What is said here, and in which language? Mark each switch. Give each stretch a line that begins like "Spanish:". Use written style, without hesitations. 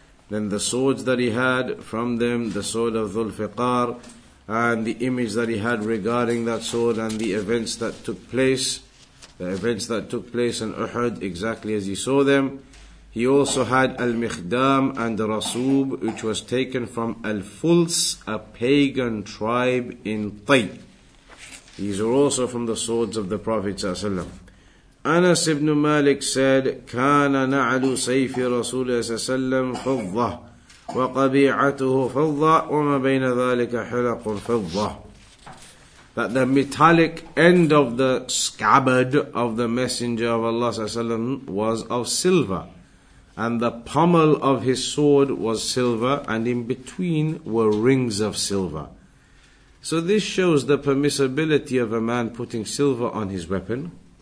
English: Then the swords that he had from them, the sword of Dhul-Fiqar, and the image that he had regarding that sword, and the events that took place in Uhud, exactly as he saw them. He also had Al-Mikhdam and Rasub, which was taken from Al-Fuls, a pagan tribe in Tay. These are also from the swords of the Prophet ﷺ. Anas ibn Malik said,
Arabic: كان نعل سيف رسول الله فضة وقبيعته فضة وما بين ذلك حلق فضة.
English: That the metallic end of the scabbard of the Messenger of Allah ﷺ was of silver. And the pommel of his sword was silver, and in between were rings of silver. So this shows the permissibility of a man putting silver on his weapon.